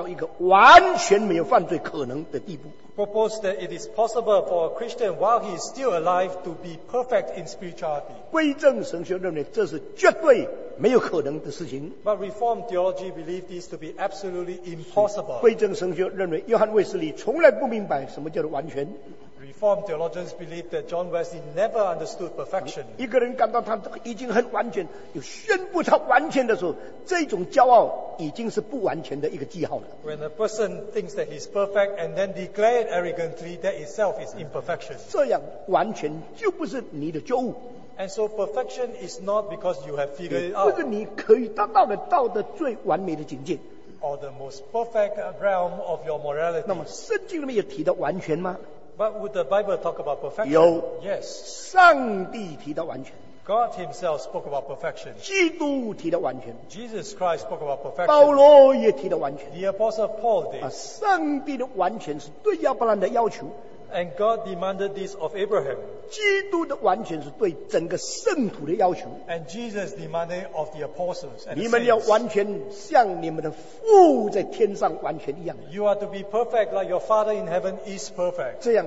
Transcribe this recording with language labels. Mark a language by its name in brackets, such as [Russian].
[Chinese] 他们认为基督徒在世界的时候灵性可以达到一个完全没有犯罪可能的地步。 [English] proposed that it is possible for a Christian while he is still alive to be perfect in spirituality. [Chinese] 归正神学认为这是绝对没有可能的事情。 [English] But Reformed theology believe this to be absolutely impossible. [Chinese] 归正神学认为约翰卫斯理从来不明白什么叫做完全。 [English] Reformed theologians believe that John Wesley never understood perfection. [Chinese] 一个人感到他已经很完全，又宣布他完全的时候，这种骄傲已经是不完全的一个记号了。 [English] When a person thinks that he's perfect and then declared arrogantly, that itself is imperfection. [Chinese] 这样完全就不是你的觉悟。 [English] And so perfection is not because you have figured it out. [Chinese] 不是你可以达到的道德最完美的境界。 [English] Or the most perfect realm of your morality. [Chinese] 那么圣经里面有提到完全吗？ [English] But would the Bible talk about perfection? [Chinese] 有， [English] yes. [Chinese] 上帝提到完全。 [English] God himself spoke about perfection. [Chinese] 基督提到完全。 [English] Jesus Christ spoke about perfection. [Chinese] 保罗也提到完全。 [English] The Apostle Paul did. [Chinese] 上帝的完全是对亚伯兰的要求。 [English] And God demanded this of Abraham. [Chinese] 基督的完全是对整个圣徒的要求。 [English] And Jesus demanded of the apostles. [Chinese] 你们要完全像你们的父在天上完全一样。 [English] You are to be perfect like your Father in heaven is perfect.